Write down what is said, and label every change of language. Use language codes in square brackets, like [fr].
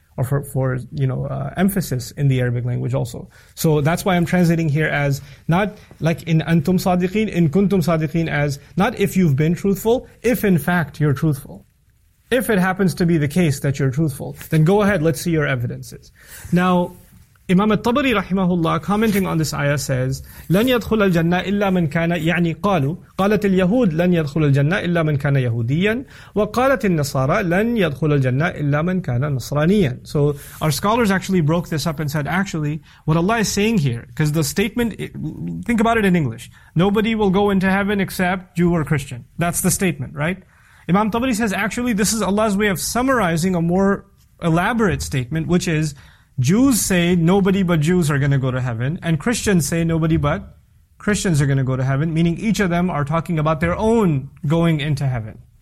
[en] Or for you know, emphasis in the Arabic language also. So that's why I'm translating here as, not like in antum sadiqeen, in kuntum sadiqeen, as not if you've been truthful, if in fact you're truthful. If it happens to be the case that you're truthful, then go ahead, let's see your evidences. Now, Imam al-Tabari rahimahullah, commenting on this ayah, says, [ar] لَنْ يَدْخُلَ الْجَنَّةِ إِلَّا مَنْ كَانَ يَعْنِي قَالُوا قَالَتِ الْيَهُودِ لَنْ يَدْخُلَ الْجَنَّةِ إِلَّا مَنْ كَانَ يَهُودِيًّا وَقَالَتِ النَّصَارَى لَنْ يَدْخُلَ الْجَنَّةِ إِلَّا مَنْ كَانَ نَصْرَانِيًّا. [en] So our scholars actually broke this up and said, actually, what Allah is saying here, because the statement, think about it in English, nobody will go into heaven except Jew or Christian. That's the statement, right? Imam Tabari says, actually, this is Allah's way of summarizing a more elaborate statement, which is, Jews say nobody but Jews are going to go to heaven, and Christians say nobody but Christians are going to go to heaven, meaning each of them are talking about their own going into heaven.